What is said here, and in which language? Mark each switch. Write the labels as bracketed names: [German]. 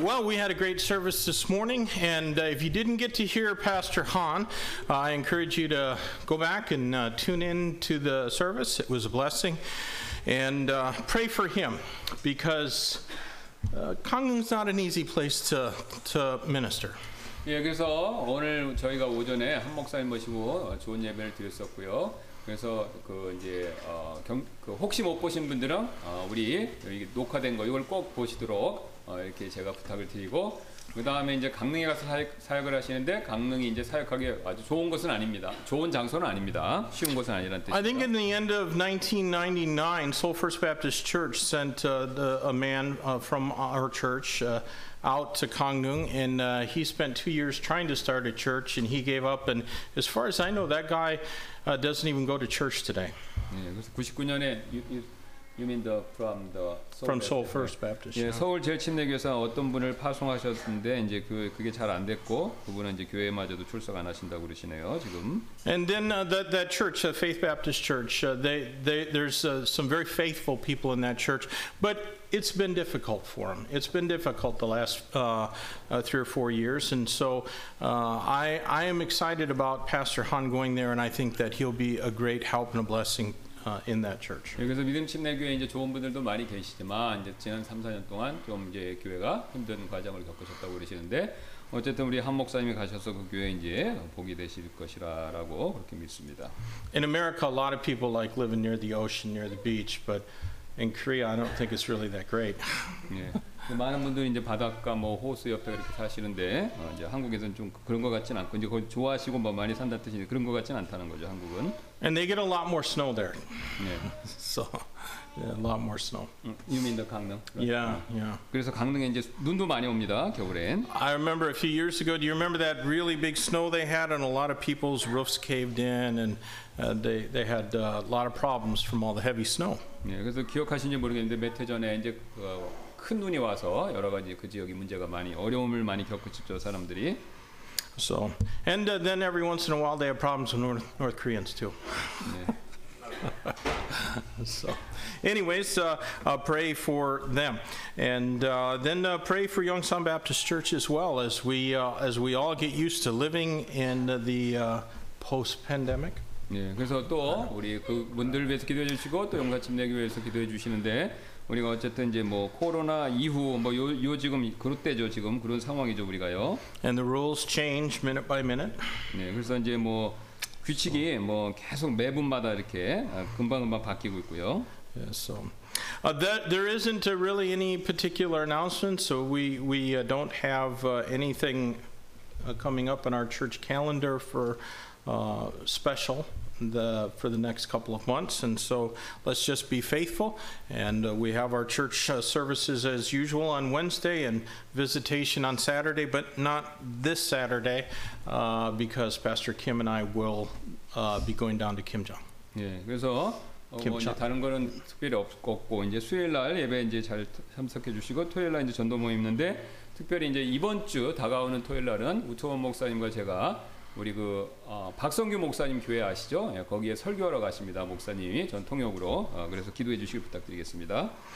[English] Well, we had a great service this morning, and if you didn't get to hear Pastor Han, I encourage you to go back and tune in to the service. It was a blessing, and pray for him because Kangnam's not an easy place to minister. [Korean] 예, 그래서 오늘 저희가 오전에 한 목사님 모시고 좋은 예배를 드렸었고요. 그래서 그 이제 혹시 못 보신 분들은 우리 여기 녹화된 거 이걸 꼭 보시도록 이렇게 제가 부탁을 드리고 그다음에 이제 강릉에 가서 사역을 하시는데 강릉이 이제 사역하기 아주 좋은 곳은 아닙니다. 좋은 장소는 아닙니다. 쉬운 곳은 아니란 뜻이죠. [English] I think in the end of 1999, Seoul First Baptist Church sent a man from our church out to Kangnung, and he spent 2 years trying to start a church, and he gave up. And as far as I know, that guy doesn't even go to church today. [Korean] 99년에 [English] You mean the from the Seoul from Seoul First Baptist? [Korean] Yeah, 서울 제일침례교회에서 어떤 분을 파송하셨는데 이제 그게 잘 안 됐고 그분은 이제 교회마저도 출석 안 하신다고 그러시네요 지금. [English] And then that church, the Faith Baptist Church, there's some very faithful people in that church, but it's been difficult for them. It's been difficult the last three or four years, and so I am excited about Pastor Han going there, and I think that he'll be a great help and a blessing. In that church. [Korean] 그래서 믿음 침례교회 이제 좋은 분들도 많이 계시지만 이제 지난 3, 4년 동안 좀 이제 교회가 힘든 과정을 겪으셨다고 그러시는데 어쨌든 우리 한 목사님이 가셔서 그 교회 이제 복이 되실 것이라라고 그렇게 믿습니다. [English] In America, a lot of people like living near the ocean, near the beach, but in Korea, I don't think it's really that great. [Korean] 예, 많은 분들이 이제 바닷가 뭐 호수 옆에 이렇게 사시는데 이제 한국에서는 좀 그런 것 같지는 않고 이제 거기 좋아하시고 뭐 많이 산다 뜻이 그런 것 같지는 않다는 거죠 한국은. [English] And they get a lot more snow there. Yeah. So, yeah, a lot more snow. You mean the 강릉? Right? Yeah, yeah. [Korean] 그래서 강릉에 이제 눈도 많이 옵니다, 겨울엔. [English] I remember a few years ago, do you remember that really big snow they had and a lot of people's roofs caved in and they had a lot of problems from all the heavy snow. [Korean] 예, 그래서 기억하시는지 모르겠는데 몇 해 전에 이제 큰 눈이 와서 여러 가지 그 지역이 문제가 많이 어려움을 많이 겪었죠, 사람들이. [English] So, and then every once in a while they have problems with North Koreans too. So, anyways, pray for them, and then pray for Yongsan Baptist Church as well as we all get used to living in the post-pandemic. [Korean] 네, 그래서 또 우리 그분들 위해서 기도해 주시고 또 용산 침례교회 위해서 기도해 주시는데 우리가 어쨌든 이제 뭐 코로나 이후 뭐 요 지금 그럴 때죠 지금 그런 상황이죠 우리가요. [English] And the rules change minute by minute. [Korean] 네, 그래서 이제 뭐 규칙이 뭐 계속 매분마다 이렇게 금방 바뀌고 있고요. [English] Yeah, so there isn't really any particular announcement, so we don't have anything coming up in our church calendar for. Special for the next couple of months, and so let's just be faithful. And we have our church services as usual on Wednesday, and visitation on Saturday, but not this Saturday, because Pastor Kim and I will be going down to Kimjeong. [Korean] 예, 그래서 뭐 이제 다른 거는 특별히 없고 이제 수요일 날 예배 이제 잘 참석해 주시고 토요일 날 이제 전도 모임인데 특별히 이제 이번 주 다가오는 토요일 날은 우초원 목사님과 제가 우리 그 박성규 목사님 교회 아시죠? 예, 거기에 설교하러 가십니다. 목사님이 전 통역으로. 그래서 기도해 주시기 부탁드리겠습니다.